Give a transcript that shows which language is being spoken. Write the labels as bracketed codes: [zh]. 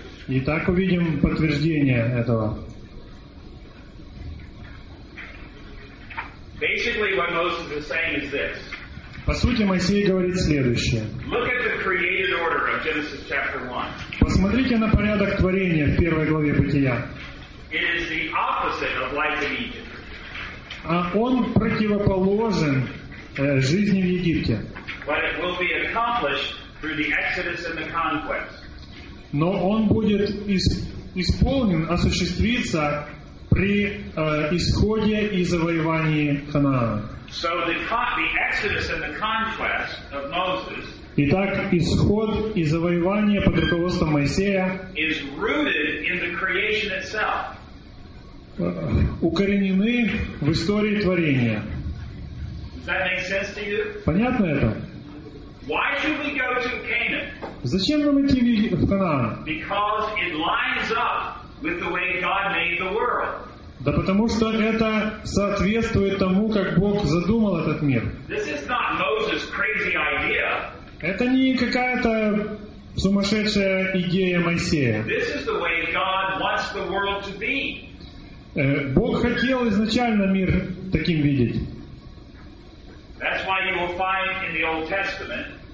[ru] Итак, увидим подтверждение этого. [en] Basically, what Moses is saying is this. [ru] По сути, Моисей говорит следующее. [en] Look at the created order of Genesis chapter 1. [ru] Посмотрите на порядок творения в первой главе Бытия. [en] It is the opposite of life in Egypt. [ru] А он противоположен жизни в Египте. [en] But it will be accomplished through the exodus and the conquest. [ru] Но он будет исполнен, осуществиться при исходе и завоевании Ханаана. [en] So the exodus and the conquest of Moses. [ru] Итак, исход и завоевание под руководством Моисея [en] is rooted in the creation itself. [ru] Укоренены в истории творения. [en] Does that make sense to you? [ru] Понятно это? [en] Why should we go to Canaan? [ru] Зачем нам идти в Ханаан? [en] Because it lines up with the way God made the world. [ru] Да потому что это соответствует тому, как Бог задумал этот мир. [en] This is not Moses' crazy idea. [ru] Это не какая-то сумасшедшая идея Моисея. [en] This is the way God wants the world to be. [ru] Бог хотел изначально мир таким видеть. [en] That's why you will find in the Old Testament.